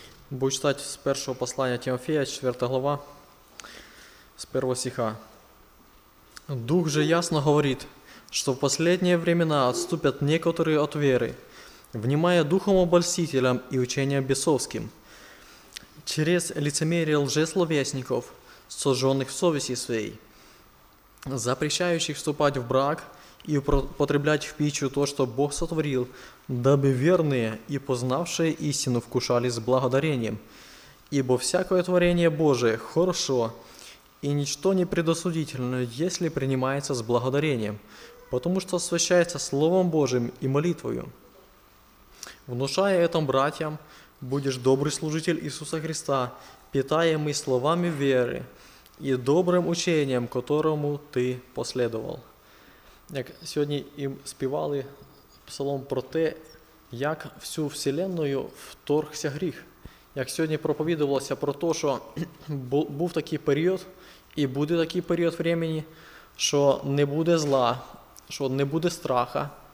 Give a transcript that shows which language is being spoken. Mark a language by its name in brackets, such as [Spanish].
[Ukrainian] Будь читать з першого послання Тимофія, 4 глава, з первого стиха. [Russian] Дух же ясно говорит, что в последние времена отступят некоторые от веры, внимая духом обольстителям и учениям бесовским, через лицемерие лжесловесников, сожженных в совести своей, запрещающих вступать в брак и употреблять в пищу то, что Бог сотворил, дабы верные и познавшие истину вкушали с благодарением. Ибо всякое творение Божие хорошо, и ничто не предосудительно, если принимается с благодарением, потому что освящается Словом Божиим и молитвою. Внушая этом братьям, будешь добрый служитель Иисуса Христа, питаемый словами веры и добрым учением, которому ты последовал. [Ukrainian] Як сьогодні їм співали псалом про те, як [Russian] всю вселенную [Ukrainian] вторгся гріх. Як сьогодні проповідувалося про те, що був такий період і буде такий період времени, що не буде зла, що не буде страха.